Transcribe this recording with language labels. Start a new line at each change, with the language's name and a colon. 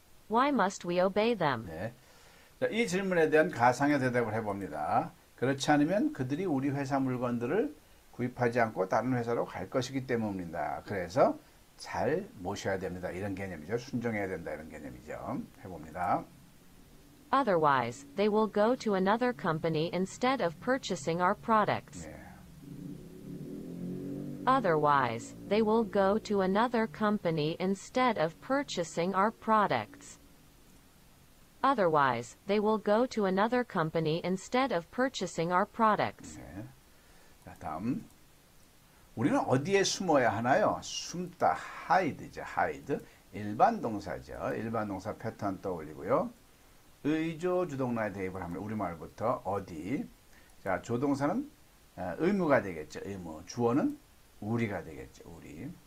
English: Why must we obey them?
Korean: 네. 자, 이 질문에 대한 가상의 대답을 해봅니다. 그렇지 않으면 그들이 우리 회사 물건들을 구입하지 않고 다른 회사로 갈 것이기 때문입니다. 그래서 잘 모셔야 됩니다. 이런 개념이죠. 순종해야 된다. 이런 개념이죠. 해봅니다.
English: Otherwise, they will go to another company instead of purchasing our products. Otherwise, they will go to another company instead of purchasing our products. Otherwise, they will go to another company instead of purchasing our products.
Korean: 다음, 우리는 어디에 숨어야 하나요? 숨다, hide죠, hide. 일반 동사죠. 일반 동사 패턴 떠올리고요. 의조 주동사에 대입을 하면 우리말부터 어디. 자, 조동사는 의무가 되겠죠, 의무. 주어는 우리가 되겠죠, 우리.